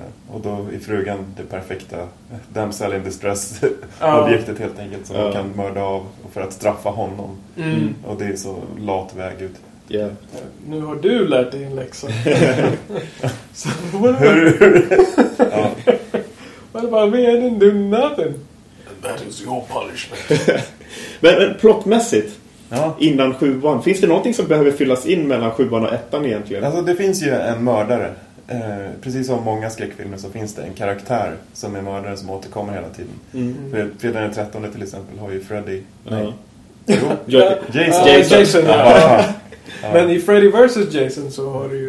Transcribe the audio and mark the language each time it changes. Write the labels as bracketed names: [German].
[Swedish] Och då är frugan det perfekta [English] damsel in distress [Swedish] objektet helt enkelt som man kan mörda av för att straffa honom. Och det är så lat väg ut. Nu har du lärt dig en läxa. Så, Vad är meningen du nothing? [English] And that is your punishment. [Swedish] Men plottmässigt, ja. Innan sjuan. Finns det någonting som behöver fyllas in mellan sjuan och ettan egentligen? Alltså det finns ju en mördare. Precis som många skräckfilmer så finns det en karaktär som är mördaren som återkommer hela tiden. Mm. För Fredag den 13 till exempel har ju Freddy. Jason. Men i Freddy vs. Jason så har du ju...